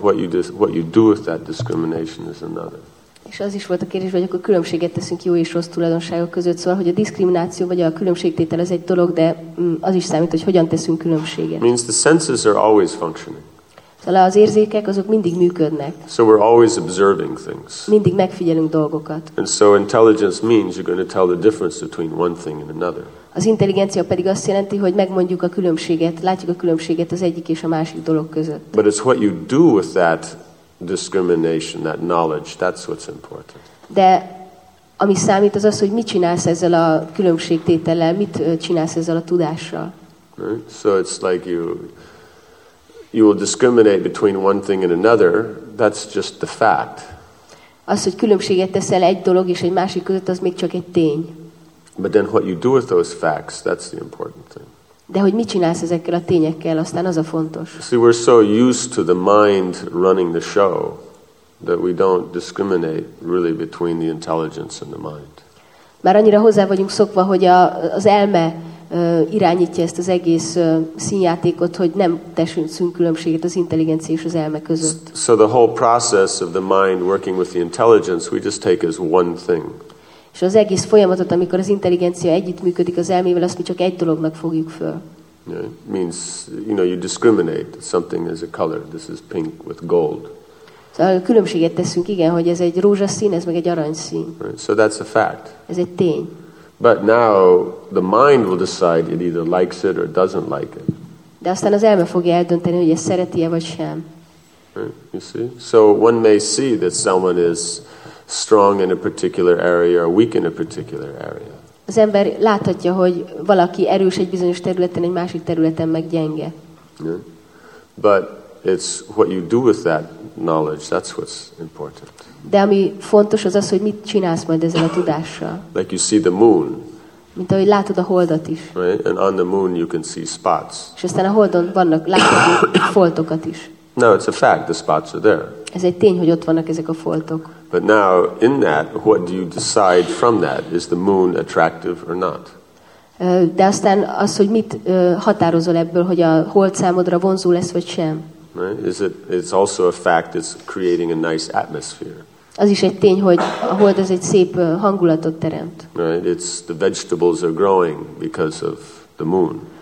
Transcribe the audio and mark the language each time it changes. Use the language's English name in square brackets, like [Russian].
[English] What you do with that discrimination is another. [Hungarian] És az is volt a kérdés, hogy akkor különbséget teszünk jó és rossz tulajdonságok között, szóval, hogy a diszkrimináció vagy a különbségtétel ez egy dolog, de az is számít, hogy hogyan teszünk különbséget. [English] Means the senses are always functioning. [Hungarian] Szóval az érzékek azok mindig működnek. [English] So we're always observing things. [Hungarian] Mindig megfigyelünk dolgokat. [English] And so intelligence means you're going to tell the difference between one thing and another. [Hungarian] Az intelligencia pedig azt jelenti, hogy megmondjuk a különbséget, látjuk a különbséget az egyik és a másik dolog között. [English] But it's what you do with that discrimination, that knowledge, that's what's important. [Hungarian] De ami számít az az, hogy mit csinálsz ezzel a különbségtétellel, mit csinálsz ezzel a tudással. [English] Right? So it's like you will discriminate between one thing and another, that's just the fact. [Hungarian] Az, hogy különbséget teszel egy dolog és egy másik között, az még csak egy tény. [English] But then what you do with those facts, that's the important thing. [Hungarian] De hogy mit csinálsz ezekkel a tényekkel, aztán az a fontos. [English] See, we're so used to the mind running the show that we don't discriminate really between the intelligence and the mind. [Hungarian] Már annyira hozzá vagyunk szokva, hogy az elme irányítja ezt az egész színjátékot, hogy nem teszünk különbséget az intelligencia és az elme között. [English] So the whole process of the mind working with the intelligence, we just take as one thing. [Hungarian] És az egész folyamatot, amikor az intelligencia együttműködik az elmével, azt mi csak egy dolognak fogjuk föl. [English] Yeah, means, you discriminate something as a color. This is pink with gold. [Hungarian] Szóval különbséget teszünk, igen, hogy ez egy rózsaszín, ez meg egy aranyszín. [English] Right, so that's a fact. [Hungarian] Ez egy tény. [English] But now the mind will decide it either likes it or doesn't like it. [Hungarian] De aztán az elme fogja eldönteni, hogy ezt szereti-e vagy sem. [English] Right, you see? So one may see that someone is strong in a particular area or weak in a particular area. [Hungarian] Az ember láthatja, hogy valaki erős egy bizonyos területen, egy másik területen meg gyenge. [English] Yeah. But it's what you do with that knowledge, that's what's important. [Hungarian] De ami fontos, az az, hogy mit csinálsz majd ezzel a tudással. [English] Like you see the moon. [Hungarian] Mint ahogy látod a holdat is. [English] Right? And on the moon you can see spots. [Hungarian] És aztán a holdon vannak látható foltokat is. [English] No, it's a fact, the spots are there. [Hungarian] Ez egy tény, hogy ott vannak ezek a foltok. [English] But now, in that, what do you decide from that? Is the moon attractive or not? [Hungarian] De aztán az, hogy mit határozol ebből, hogy a hold számodra vonzó lesz, vagy sem. [English] Right? Is it, it's also a fact, it's creating a nice atmosphere. [Hungarian] Az is egy tény, hogy a hold az egy szép hangulatot teremt. [English] Right? It's the vegetables are growing because of the moon.